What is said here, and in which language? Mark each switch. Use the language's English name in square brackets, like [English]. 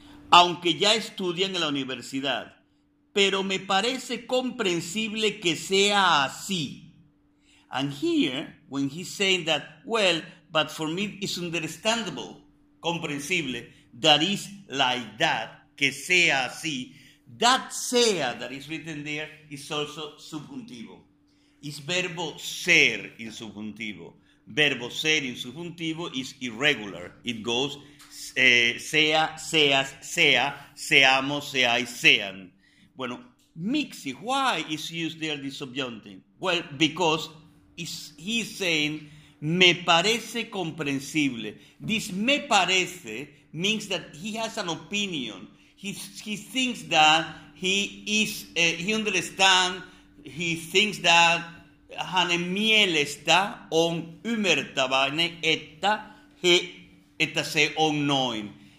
[Spanish] Aunque ya estudian en la universidad, pero me parece comprensible que sea así. [English] And here, when he's saying that, well, but for me it's understandable, comprensible, that is like that, [Spanish] que sea así, [English] that sea that is written there is also subjuntivo. It's verbo ser in subjuntivo. Verbo ser in subjuntivo is irregular. It goes [Spanish] sea, seas, sea, seamos, seáis, sean. Bueno, [English] Mixi, why is used there the subjunctive? Well, because he's saying, [Spanish] me parece comprensible. [English] This [Spanish] me parece [English] means that he has an opinion. He thinks that he understands, he thinks that [Finnish] han mielesta on ymmärtäväne että he että se on noin.